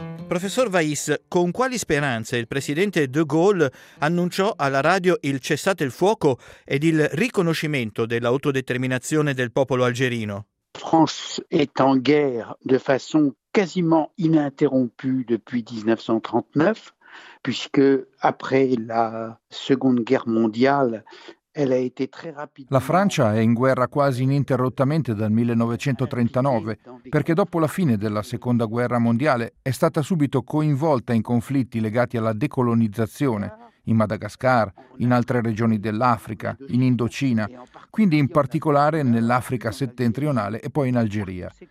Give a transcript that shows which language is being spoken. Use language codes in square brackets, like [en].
[it] Professor Vaïs, con quali speranze il presidente De Gaulle annunciò alla radio il cessate il fuoco ed il riconoscimento dell'autodeterminazione del popolo algerino? [fr] France est en guerre de façon quasiment ininterrompue depuis 1939, puisque après la Seconde Guerre mondiale, elle a été très rapidement. [it] La Francia è in guerra quasi ininterrottamente dal 1939, perché dopo la fine della Seconda Guerra Mondiale è stata subito coinvolta in conflitti legati alla decolonizzazione, in Madagascar, in altre regioni dell'Africa, in Indocina, quindi in particolare nell'Africa settentrionale e poi in Algeria.